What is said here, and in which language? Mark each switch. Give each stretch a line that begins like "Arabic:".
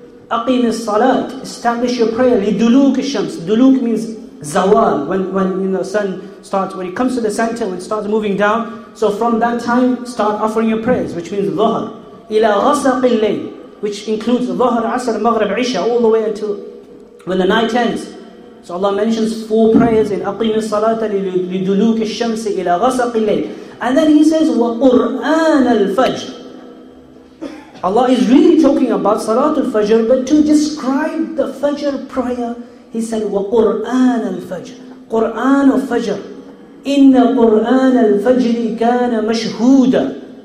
Arabic: أقم الصلاة,
English: establish your prayer,
Arabic: لدلوك الشمس.
English: دلوك means زوال, when you know, sun starts, when it comes to the center, when it starts moving down. So from that time, start offering your prayers, which means ظهر,
Arabic: إلى غسق الليل,
English: which includes ظهر, عصر, مغرب, عشاء, all the way until when the night ends. So Allah mentions four prayers in
Arabic: أَقِيمِ الصَّلَاةَ لِدُلُوكِ الشَّمْسِ إِلَى غَسَقِ اللَّيْلِ.
English: And then He says,
Arabic: وَقُرْآنَ الْفَجْرِ.
English: Allah is really talking about Salatul Fajr, but to describe the Fajr prayer, He said, وَقُرْآنَ الْفَجْرِ. Qur'an of Fajr.
Arabic: إِنَّ قُرْآنَ الْفَجْرِ كَانَ مَشْهُودًا.